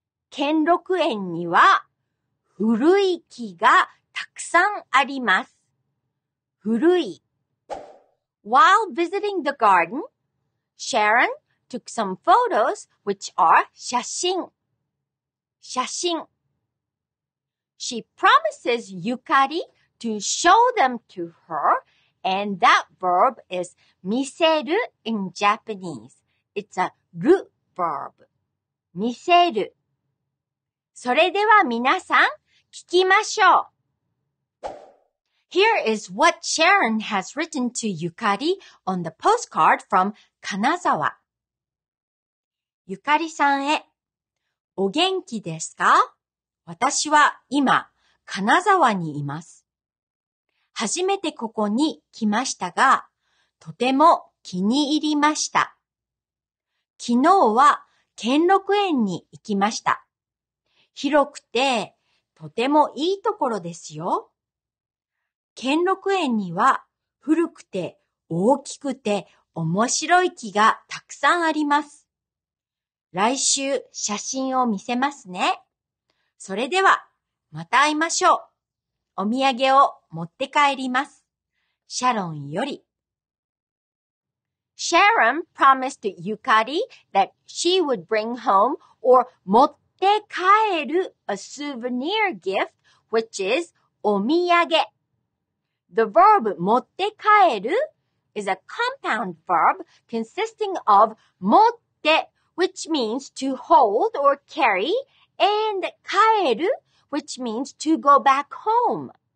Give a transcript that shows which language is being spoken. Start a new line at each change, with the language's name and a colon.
Japanese: 兼六園には古い木がたくさんあります。古い。
English: While visiting the garden, Sharon took some photos, which are 写真。
Japanese: 写真。
English: She promises Yukari to show them to her, and that verb is 見せる in Japanese. It's a る verb. 見せる。
Japanese: それでは皆さん、聞きましょう。 Here is what Sharon has written to Yukari on the postcard from Kanazawa. Yukari さんへ、お元気ですか? 私は今、金沢にいます。初めてここに来ましたが、とても気に入りました。昨日は兼六園に行きました。広くてとてもいいところですよ。兼六園には古くて大きくて面白い木がたくさんあります。来週写真を見せますね。それではまた会いましょう。お土産を持って帰ります。シャロンより。
English: Sharon promised Yukari that she would bring home or 持って帰る a souvenir gift, which is お土産。 The verb 持って帰る is a compound verb consisting of 持って, which means to hold or carry, and 帰る, which means to go back home.